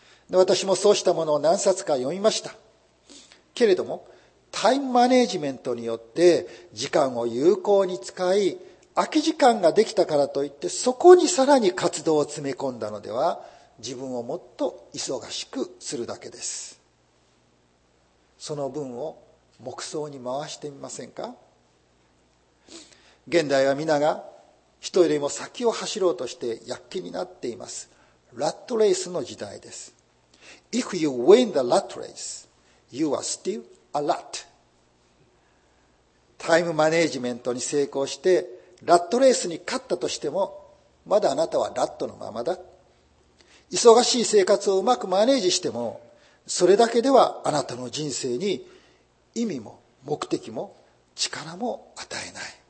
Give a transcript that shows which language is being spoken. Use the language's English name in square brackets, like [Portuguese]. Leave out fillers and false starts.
[Japanese] で、私もそうしたものを何冊か読みましたけれども、タイムマネジメントによって時間を有効に使い、空き時間ができたからといってそこにさらに活動を詰め込んだのでは自分をもっと忙しくするだけです。その分を黙想に回してみませんか。現代は皆が人よりも先を走ろうとして躍起になっています。ラットレースの時代です。 [English] If you win the rat race, you are still a rat. [Japanese] タイムマネージメントに成功してラットレースに勝ったとしても、まだあなたはラットのままだ。忙しい生活をうまくマネージしても、それだけではあなたの人生に意味も目的も力も与えない。